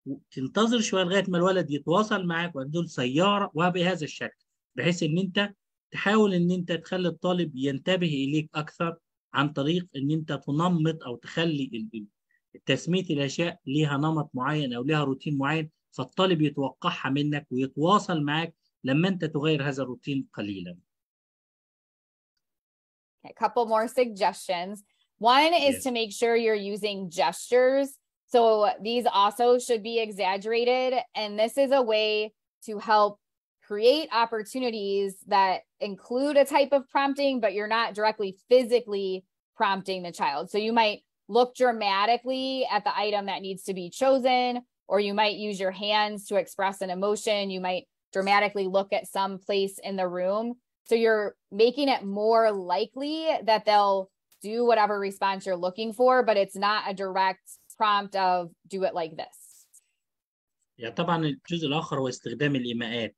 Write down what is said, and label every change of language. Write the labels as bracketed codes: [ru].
[ar] تنتظر شوية لغاية ما الولد يتواصل معك وتقول سيارة، وبهذا الشكل بحيث أن أنت تحاول أن أنت تخلي الطالب ينتبه إليك أكثر عن طريق أن أنت تنمط أو تخلي تسمية الأشياء لها نمط معين أو لها روتين معين، فالطالب يتوقعها منك ويتواصل معك لما انت تغير هذا الروتين قليلا. [en] A couple more suggestions. One is to make sure you're using gestures. So these also should be exaggerated. And this is a way to help create opportunities that include a type of prompting, but you're not directly physically prompting the child. So you might look dramatically at the item that needs to be chosen, or you might use your hands to express an emotion. You might dramatically look at some place in the room. So you're making it more likely that they'll do whatever response you're looking for, but it's not a direct prompt of do it like this. Yeah, [ar] طبعا الجزء الاخر هو استخدام الايماءات.